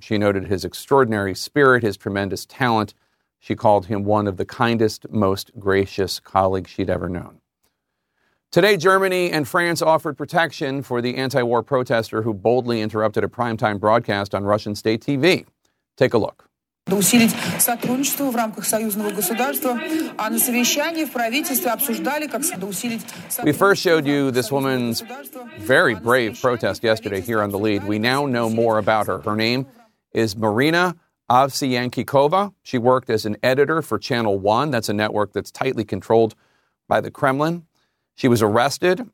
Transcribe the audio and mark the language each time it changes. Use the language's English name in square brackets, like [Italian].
[English] She noted his extraordinary spirit, his tremendous talent. She called him one of the kindest, most gracious colleagues she'd ever known. Today, Germany and France offered protection for the anti-war protester who boldly interrupted a primetime broadcast on Russian state TV. Take a look. [Russian] усилить сотрудничество в рамках союзного государства, а на совещании в правительстве обсуждали, как усилить. [English] We first showed you this woman's very brave protest yesterday here on the lead. We now know more about her. Her name is Marina Avsyankikova. She worked as an editor for Channel One. That's a network that's tightly controlled by the Kremlin. She was arrested.